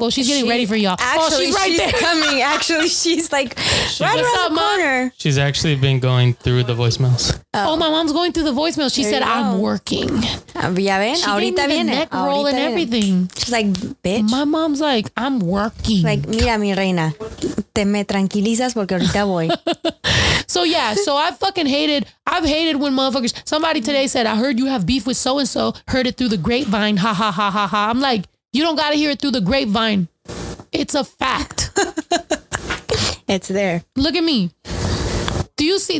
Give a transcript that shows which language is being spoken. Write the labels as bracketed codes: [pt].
[en] Oh, she's getting ready for y'all. Actually, oh, she's right she's there. Coming. Actually, she's like right around the corner. She's actually been going through the voicemails. Oh, oh my mom's going through the voicemails. She said, I'm working. [es] Ya ven, ahorita viene. [en] She gave me the neck roll and everything. She's like, bitch. My mom's like, I'm working. Like, [es] mira mi reina. Te me tranquilizas porque ahorita voy. [en] So yeah, so I've hated when motherfuckers, somebody today said, I heard you have beef with so-and-so, heard it through the grapevine. Ha, ha, ha, ha, ha. I'm like, you don't got to hear it through the grapevine. It's a fact. It's there. Look at me. Do you see?